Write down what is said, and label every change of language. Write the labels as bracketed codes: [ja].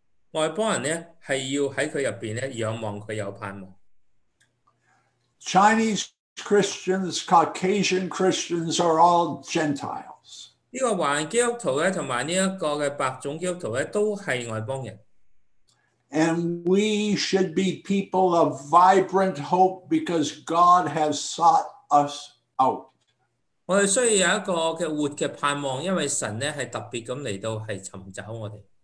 [yue] 外邦人咧系要喺佢入边咧仰望佢有盼望。 [en] Chinese Christians, Caucasian Christians are all Gentiles. [yue] 呢个华人基督徒咧，同埋呢一个嘅白种基督徒咧，都系外邦人。 [en] And we should be people of vibrant hope because God has sought us out. [yue] 我们需要有一个嘅活嘅盼望，因为神咧系特别咁嚟到系寻找我哋。